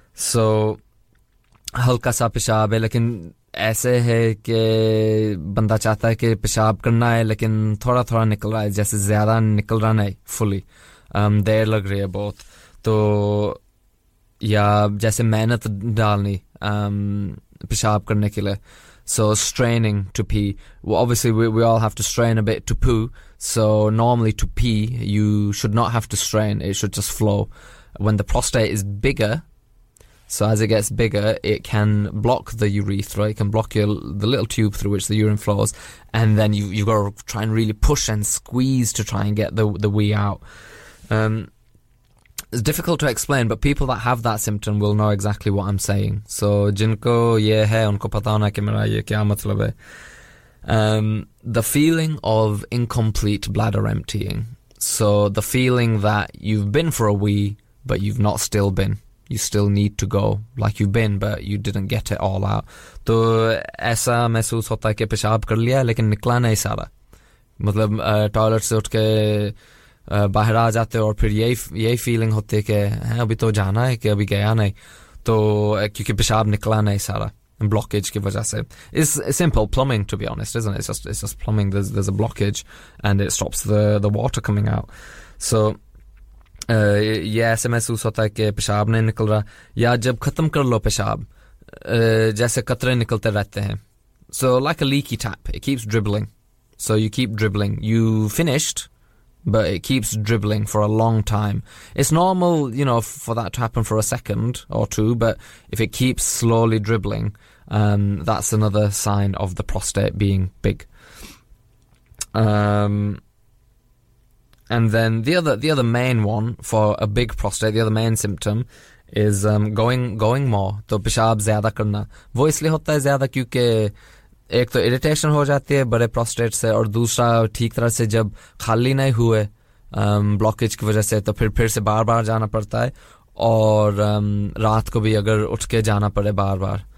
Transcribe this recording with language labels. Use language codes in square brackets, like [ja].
[hi] सो हल्का सा पेशाब है, लेकिन ऐसे है कि बंदा चाहता है कि पेशाब करना है लेकिन थोड़ा थोड़ा निकल रहा है, जैसे ज्यादा निकल रहा नहीं फुली, देर लग रही है बहुत. तो या जैसे मेहनत डालनी पेशाब करने के लिए, [en] so straining to pee. Well, obviously we all have to strain a bit to poo, so normally to pee you should not have to strain, it should just flow. When the prostate is bigger, so as it gets bigger, it can block the urethra, it can block the little tube through which the urine flows, and then you've got to try and really push and squeeze to try and get the wee out. It's difficult to explain, but people that have that symptom will know exactly what I'm saying. [hi] So, jinko ye hai, unko pata hona ki mera ye kya matlab hai. [en] The feeling of incomplete bladder emptying. So, the feeling that you've been for a wee, but you've not still been. You still need to go, like you've been, but you didn't get it all out. [hi] To aisa mehsoos hota hai ki peshab kar liya, lekin nikla nahi sara. Matlab, toilet se utke बाहर आ जाते हो और फिर यही feeling होती है कि हैं अभी तो जाना है कि अभी गया नहीं, तो क्योंकि पेशाब निकला नहीं सारा ब्लॉकेज की वजह से. [en] It's simple plumbing to be honest, isn't it? It's just plumbing. There is a blockage and it stops the water coming out. [hi] सो ये ऐसे महसूस होता है कि पेशाब नहीं निकल रहा, या जब खत्म कर लो पेशाब, जैसे कतरे निकलते रहते हैं. [en] So like a leaky tap, it keeps dribbling. So you keep dribbling, you finished but it keeps dribbling for a long time. It's normal, you know, for that to happen for a second or two, but if it keeps slowly dribbling, that's another sign of the prostate being big. And then the other main one for a big prostate, the other main symptom is going more. [hi] To peshab zyada karna, wo isliye hota hai zyada kyunki एक तो irritation हो जाती है बड़े prostate से, और दूसरा ठीक तरह से जब खाली नहीं हुए ब्लॉकेज की वजह से, तो फिर से बार बार जाना पड़ता है, और रात को भी अगर उठ के जाना पड़े बार बार.